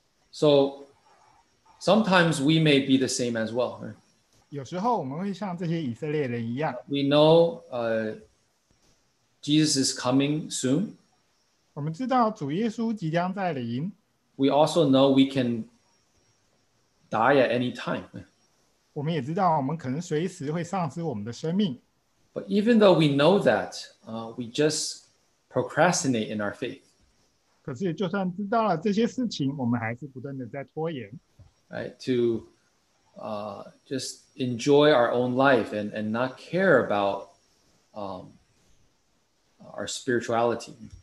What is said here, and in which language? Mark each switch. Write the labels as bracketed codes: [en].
[en] So sometimes we may be the same as well. [zh] 有时候我们会像这些以色列人一样。 [en] We know Jesus is coming soon. [zh] 我们知道主耶稣即将再临。 [en] We also know we can die at any time. [zh] 我们也知道我们可能随时会丧失我们的生命。 [en] But even though we know that, we just procrastinate in our faith. [zh] 可是就算知道了这些事情，我们还是不断的在拖延。 [en] Right, to just enjoy our own life and not care about our spirituality.